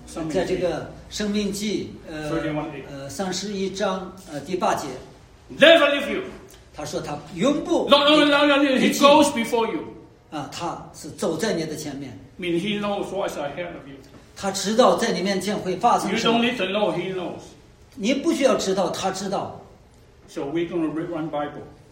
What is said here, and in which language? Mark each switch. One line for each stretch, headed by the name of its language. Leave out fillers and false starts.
Chinese: 在这个生命记三十一章第八节
English: Never leave you.
Chinese: 他说他永不
English: Not only not only he goes before you.
Chinese: 他是走在你的前面
English: Mean he knows what's ahead of you.
Chinese: 他知道在你面前会发生什么
English: You don't need to know he knows.
Chinese: 你不需要知道他知道
English: So we're going to read one Bible.